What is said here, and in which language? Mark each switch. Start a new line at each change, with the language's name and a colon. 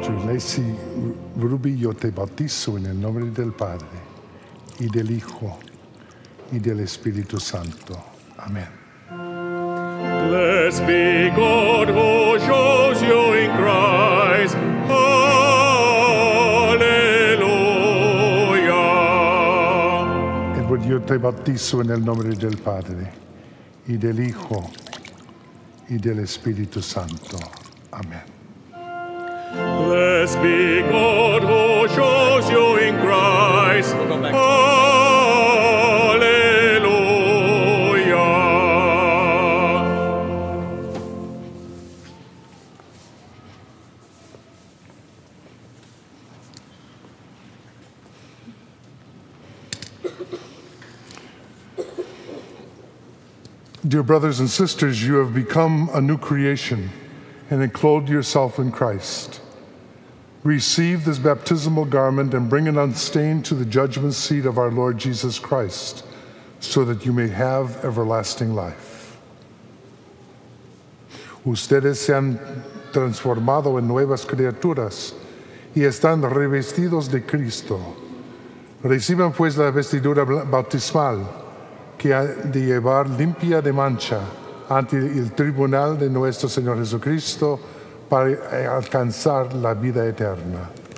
Italian: Giulesi Rubi, io te bautizzo nel nome del Padre, e del
Spanish: Hijo,
Italian: e dello Spirito Santo. Amen.
English: Blessed be God who shows you in Christ.
Italian: Io te bautizzo nel nome del Padre, e del
Spanish: Hijo,
Italian: e dello Spirito Santo. Amen.
English: Blessed be God who shows you in Christ. Alleluia. Dear brothers and sisters, you have become a new creation and enclosed yourself in Christ. Receive this baptismal garment and bring it unstained to the judgment seat of our Lord Jesus Christ, so that you may have everlasting life.
Spanish: Ustedes se han transformado en nuevas criaturas y están revestidos de Cristo. Reciban pues la vestidura bautismal, que ha de llevar limpia de mancha ante el tribunal de nuestro Señor Jesucristo para alcanzar la vida eterna.